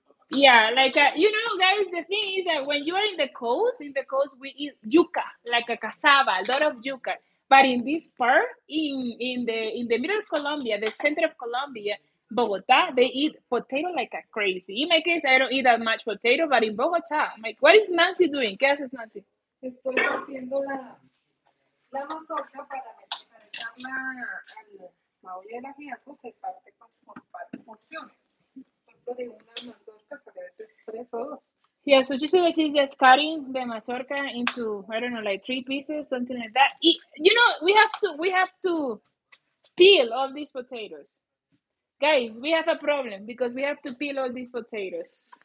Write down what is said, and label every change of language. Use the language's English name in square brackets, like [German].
[English] Yeah, like, you know, guys, the thing is that when you are in the coast, we eat yuca, like a cassava, a lot of yuca. But in this part, in the middle of Colombia, the center of Colombia, Bogota, they eat potato like a crazy. In my case, I don't eat that much potato, but in Bogota, I'm like, what is Nancy doing? [Spanish] ¿Qué haces, Nancy? Estoy haciendo la mazorca para meterla al maule de las ajíacos, se parte con varias porciones. Por ejemplo, de una mazorca, se debe ser 3 o 2. [English] Yeah, so you see that she's just cutting the mazorca into, I don't know, like 3 pieces, something like that. You know, we have to peel all these potatoes. Guys, we have a problem because we have to peel all these potatoes.